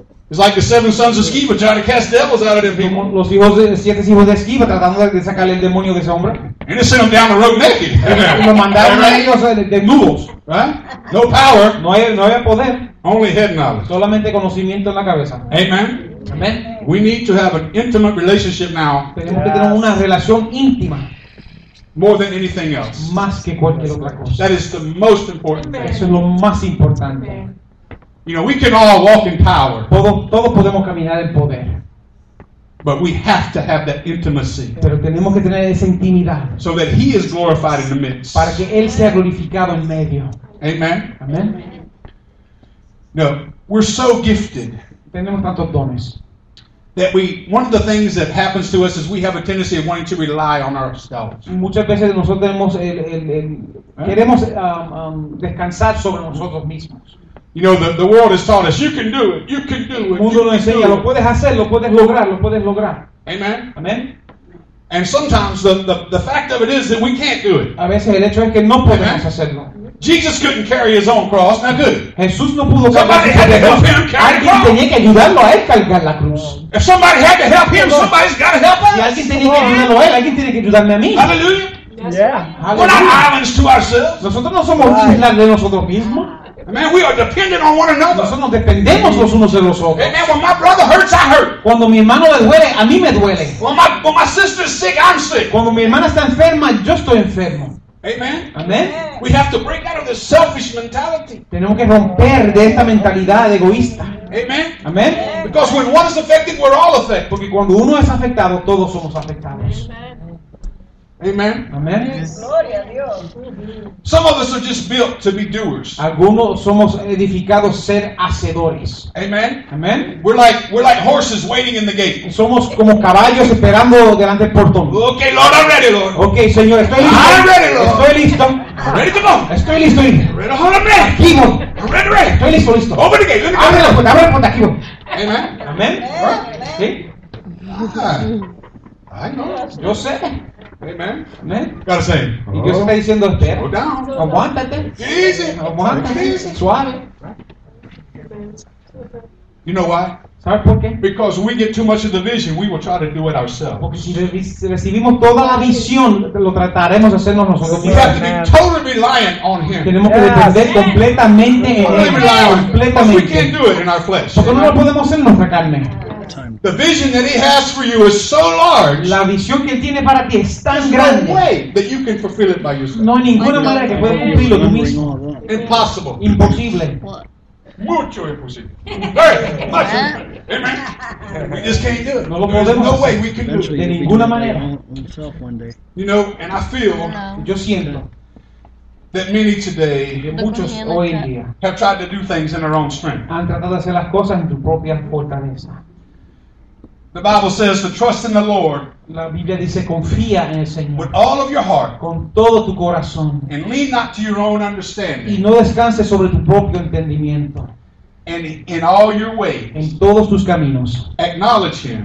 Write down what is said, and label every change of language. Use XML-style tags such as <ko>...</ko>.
<en>It's like the seven sons of Sceva trying to cast devils out of them people.</en> <es>Los hijos de siete hijos de Sceva tratando de sacarle el demonio de ese hombre.</es> <en>And they sent them down the road naked.</en> <es>Y lo mandaron a ellos de nudos.</es> <en>No power.</en> <es>No hay poder.</es> <en>Only head knowledge.</en> <es>Solamente conocimiento en la cabeza.</es> <en>Amen.</en> <es>Amen.</es> <en>We need to have an intimate relationship now.</en> <es>Tenemos que tener una relación íntima.</es> <en>More than anything else.</en> <es>Más que cualquier otra cosa.</es> <en>That is the most important thing.</en> <es>Eso es lo más importante.</es> <en>You know, we can all walk in power.</en> <es>Todos podemos caminar en poder.</es> <en>But we have to have that intimacy.</en> <es>Pero tenemos que tener esa intimidad.</es> <en>So that he is glorified in the midst.</en> <es>Para que él sea glorificado en medio.</es> <en>Amen.</en> <es>Amen.</es> <en>No, we're so gifted.</en> <es>Tenemos tantos dones.</es> <en>That we, one of the things that happens to us is we have a tendency of wanting to rely on ourselves.</en> <es>Muchas veces nosotros tenemos queremos descansar sobre nosotros mismos.</es> <en>You know, the world has taught us, you can do it, you can do it.</en> <es>El mundo nos enseña, lo puedes hacer, lo puedes lograr, lo puedes lograr.</es> <en>Amen.</en> <es>Amen.</es> <en>And sometimes the fact of it is that we can't do it.</en> <es>A veces el hecho es que no podemos Amen. Hacerlo.</es> <en>Jesus couldn't carry his own cross. Now, good.</en> <es>Jesús no pudo cargar la cruz. Alguien tenía que ayudarlo a él cargar la cruz.</es> <en>If somebody had to help him, somebody's got to help us.</en> <es>Si alguien tenía que ayudarlo a él, alguien tiene que ayudarme a mí.</es> <en>Hallelujah. Yeah. We're not islands to ourselves.</en> <es>Nosotros no somos islas de nosotros mismos.</es> <en>Man, we are dependent on one another.</en> <es>Nosotros nos dependemos los unos de los otros.</es> <en>Amen. When my brother hurts, I hurt.</en> <es>Cuando mi hermano le duele, a mí me duele.</es> <en>When my sister's sick, I'm sick.</en> <es>Cuando mi hermana está enferma, yo estoy enfermo.</es> <en>Amen.</en> <es>Amen.</es> <en>We have to break out of this selfish mentality.</en> <es>Tenemos que romper de esta mentalidad de egoísta.</es> <en>Amen.</en> <es>Amen.</es> <en>Because when one is affected, we're all affected.</en> <es>Porque cuando uno es afectado, todos somos afectados.</es> <en>Amen.</en> <es>Amen. Gloria a Dios.</es> <en>Some of us are just built to be doers.</en> <es>Algunos somos edificados ser hacedores.</es> <en>Amen.</en> <es>Amen.</es> <en>We're like horses waiting in the gate.</en> <es>Somos como caballos esperando delante del portón.</es> <en>Okay, Lord, I'm ready, Lord.</en> <es>Okay, Señor, estoy listo.</es> <en>I'm ready, Lord.</en> <es>Estoy listo.</es> <en>I'm ready to go.</en> <es>Estoy listo.</es> <en>I'm ready, Lord. I'm ready.</en> <es>Aquí voy.</es> <en>I'm ready, ready.</en> <es>Estoy listo, listo.</es> <en>Open the gate. Let me go.</en> <es>Abre la puerta. Abre la puerta. Aquí voy.</es> <en>Amen.</en> <es>Amen.</es> <en>Amen.</en> <es>Sí.</es> <en>I know.</en> <es>Yo sé.</es> <en>Amen.</en> <es>Amen.</es> <en>Gotta say.</en> <es>Y Dios está diciendo, espera.</es> <en>Slow down.</en> <es>Aguántate.</es> <en>Easy.</en> <es>Aguántate.</es> <en>Easy.</en> <es>Suave.</es> <en>You know why?</en> <es>¿Sabes por qué?</es> <en>Because we get too much of the vision, we will try to do it ourselves.</en> <es>Porque si recibimos toda la visión, lo trataremos de hacernos nosotros.</es> <en>We have to be totally reliant on Him.</en> <es>Tenemos que depender completamente en Él. Completamente.</es> <en>We can't do it in our flesh.</en> <es>Porque no lo podemos hacer en nuestra carne.</es> <en>The vision that He has for you is so large.</en> <es>La visión que tiene para ti es tan grande.</es> <en>No way that you can fulfill it by yourself.</en> <es>No hay ninguna manera que puedas cumplirlo tú mismo.</es> <en>Impossible.</en> <es>Imposible. Mucho imposible. Mucho.</es> <en>Amen. We just can't do it.</en> <es>No lo podemos.</es> <en>There's no way we can do it.</en> <es>De ninguna manera.</es> <en>You know, and I feel.</en> <es>Yo siento.</es> <en>That many today,</en> <es>muchos hoy en día,</es> <en>have tried to do things in their own strength.</en> <es>Han tratado de hacer las cosas en tu propia fortaleza.</es> <en>The Bible says to trust in the Lord.</en> <es>La Biblia dice confía en el Señor.</es> <en>With all of your heart.</en> <es>Con todo tu corazón.</es> <en>And lean not to your own understanding.</en> <es>Y no descanses sobre tu propio entendimiento.</es> <en>And in all your ways.</en> <es>En todos tus caminos.</es> <en>Acknowledge Him.</en>